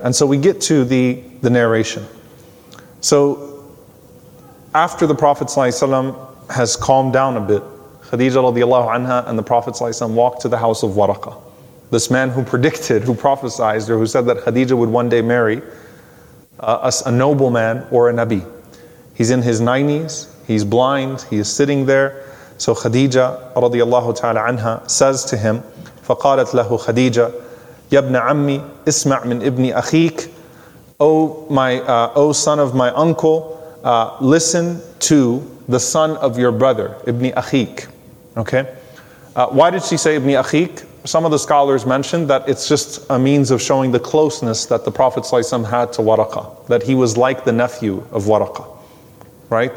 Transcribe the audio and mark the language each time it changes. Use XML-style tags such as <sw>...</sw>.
<en>And so we get to the narration. So after the Prophet ﷺ has calmed down a bit, Khadija radiallahu anha and the Prophet ﷺ walked to the house of Waraqa. This man who predicted, who prophesied, or who said that Khadija would one day marry a nobleman or a Nabi. He's in his 90s, he's blind, he is sitting there. So Khadija radiallahu ta'ala anha says to him,</en> <ar>فَقَالَتْ لَهُ خَدِيجَةَ يَبْنَ عَمِّي إِسْمَعْ مِنْ إِبْنِ أَخِيكَ.</ar> <en>O my, O son of my uncle, listen to the son of your brother, Ibn Akhik. Okay? Why did she say Ibn Akhik? Some of the scholars mentioned that it's just a means of showing the closeness that the Prophet ﷺ had to Waraqa, that he was like the nephew of Waraqa. Right?</en>